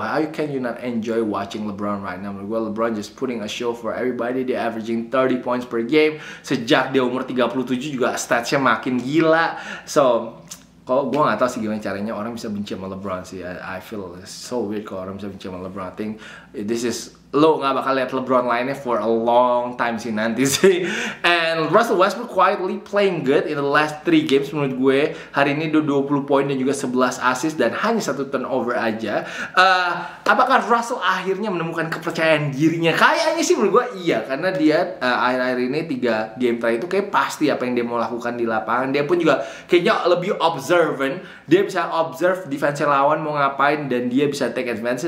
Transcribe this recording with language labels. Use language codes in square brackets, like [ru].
[en] How can you not enjoy watching LeBron right now? Well, LeBron just putting a show for everybody. [id] Dia [en] averaging 30 points per game. [id] Sejak dia umur 37 juga statsnya makin gila. So kalau gue gak tau sih gimana caranya orang bisa benci sama LeBron sih. [en] I feel so weird [id] kalau orang bisa benci sama LeBron. [en] I think this is [id] lo nggak bakal lihat LeBron lainnya [en] for a long time [id] sih nanti sih. [en] And Russell Westbrook quietly playing good in the last 3 games [id] menurut gue. Hari ini 20 poin dan juga 11 assist dan hanya 1 turnover aja. Apakah Russell akhirnya menemukan kepercayaan dirinya? Kayaknya sih menurut gue iya, karena dia akhir-akhir ini 3 game terakhir itu kayak pasti apa yang dia mau lakukan di lapangan. Dia pun juga kayaknya lebih observant. Dia bisa observe defense lawan mau ngapain dan dia bisa [en] take advantage.